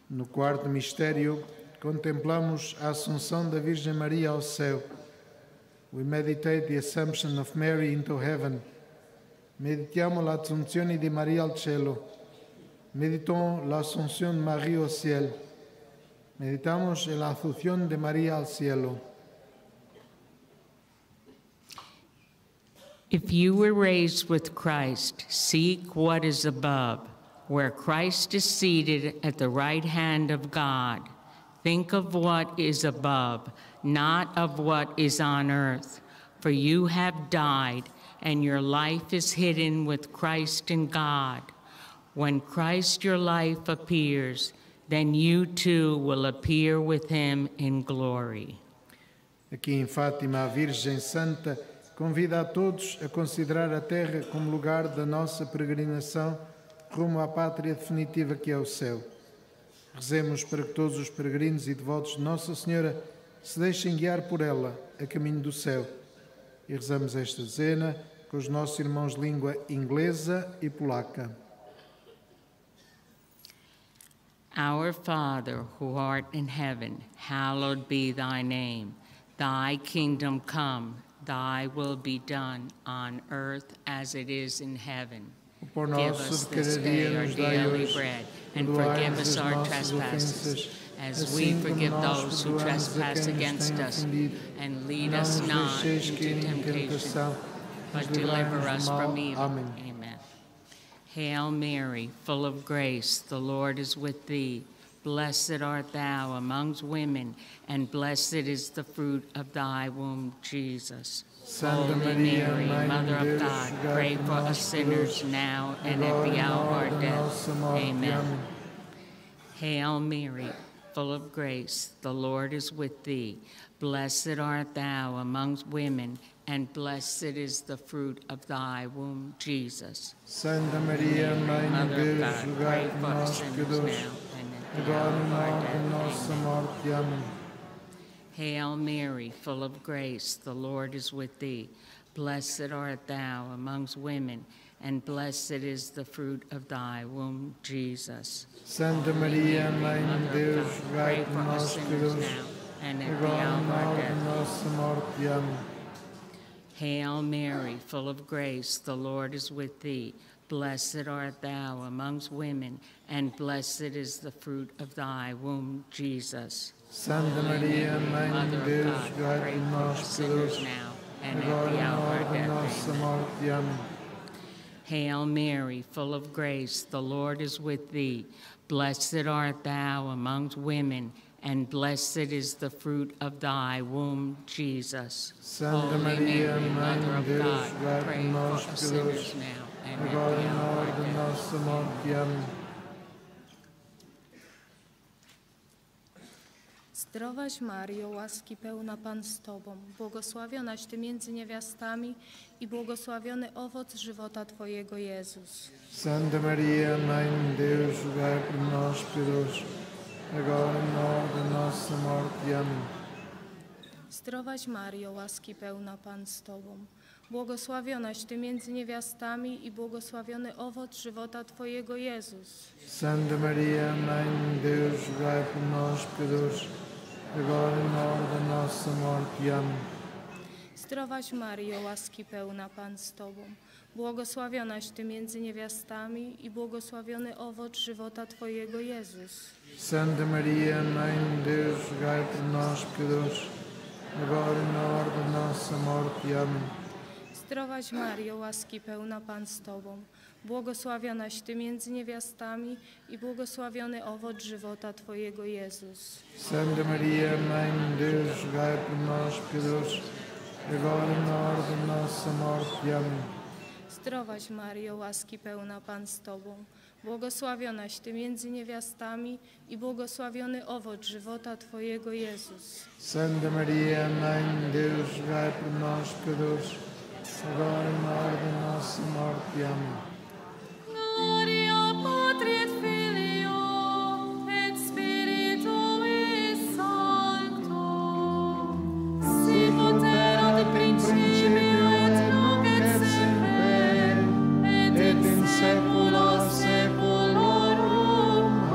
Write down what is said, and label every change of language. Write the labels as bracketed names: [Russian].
[Portuguese] Quarto mistério, contemplamos a Assunção da Virgem Maria ao céu. [English] We meditate the Assumption of Mary into heaven. [Italian] Meditiamo l'Assunzione di Maria al cielo. [French] Meditons l'Assunção de Maria ao ciel. [Spanish] Meditamos la Assunção de Maria al cielo. [English] If you were raised with Christ, seek what is above, where Christ is seated at the right hand of God. Think of what is above, not of what is on earth. For you have died, and your life is hidden with Christ in God. When Christ, your life, appears, then you too will appear with him in glory. [Portuguese] Aqui em Fátima, a Virgem Santa convida a todos a considerar a terra como lugar da nossa peregrinação rumo à pátria definitiva que é o céu. Rezemos para que todos os peregrinos e devotos de Nossa Senhora se deixem guiar por ela a caminho do céu. E rezamos esta dezena com os nossos irmãos de língua inglesa e polaca. [English] Our Father, who art in heaven, hallowed be thy name. Thy kingdom come, thy will be done on earth as it is in heaven. [Portuguese] Por nosso de cada dia nos dai hoje, perdoai-nos as nossas ofensas, assim como nós perdoamos a quem nos tem ofendido. E não nos deixeis cair em tentação, mas livrai-nos do mal. Amém. [English] Hail Mary, full of grace, the Lord is with thee. Blessed art thou amongst women, and blessed is the fruit of thy womb, Jesus. Santa Maria, Mother of God, pray for us sinners now and at the hour of our death. Amen. Hail Mary, full of grace, the Lord is with thee. Blessed art thou amongst women, and blessed is the fruit of thy womb, Jesus. Santa Maria, Mother of God, pray for us sinners now. [Portuguese] Agora na hora da nossa morte. Amém. [English] Hail Mary, full of grace, the Lord is with thee. Blessed art thou amongst women, and blessed is the fruit of thy womb, Jesus. [Portuguese] Santa Maria, Mãe de Deus, rogai por nós pecadores, agora na hora da nossa morte. Amém. [English] Hail Mary, full of grace, the Lord is with thee. Blessed art thou amongst women, and blessed is the fruit of thy womb, Jesus. [Portuguese] Santa Maria, Mãe de Deus, rogai por nós pecadores, agora na hora da nossa morte. Amém. [English] Hail Mary, full of grace, the Lord is with thee. Blessed art thou amongst women, and blessed is the fruit of thy womb, Jesus. Santa Maria, Mother of God, pray for us sinners now. [Portuguese] Agora na hora da nossa morte. Amém. [Polish] Zdrowaś, Mario, łaski pełna Pan z Tobą, błogosławionaś Ty między niewiastami i błogosławiony owoc żywota Twojego, Jezus. [Portuguese] Santa Maria, Mãe de Deus, rogai por nós, pecadores, agora e na hora da nossa morte. Amém. [Polish] Zdrowaś, Mario, łaski pełna Pan z Tobą, błogosławionaś Ty między niewiastami i błogosławiony owoc żywota Twojego, Jezus. [Portuguese] Santa Maria, Mãe de Deus, rogai por nós, pecadores, agora e na hora da nossa morte. Amém. [Polish] Zdrowaś, Mario, łaski pełna Pan z Tobą, błogosławionaś Ty między niewiastami i błogosławiony owoc żywota Twojego, Jezus. [Portuguese] Santa Maria, Mãe de Deus, rogai por nós, pecadores, agora e na hora da nossa morte. Amém. [Polish] Zdrowaś, Mario, łaski pełna Pan z Tobą, błogosławionaś Ty między niewiastami i błogosławiony owoc żywota Twojego, Jezus. [Portuguese] Santa Maria, Mãe de Deus, rogai por nós, pecadores, agora e na hora da nossa morte. Amém. [Polish] Zdrowaś, Mario, łaski pełna Pan z Tobą, błogosławionaś Ty między niewiastami i błogosławiony owoc żywota Twojego, Jezus. [Portuguese] Santa Maria, Mãe de Deus, rogai por nós, pecadores, agora e na hora da nossa morte. Amém. [Latin] Gloria Patri et Filio et Spiritui Sancto, sicut erat in principio et nunc et semper et in saecula saeculorum.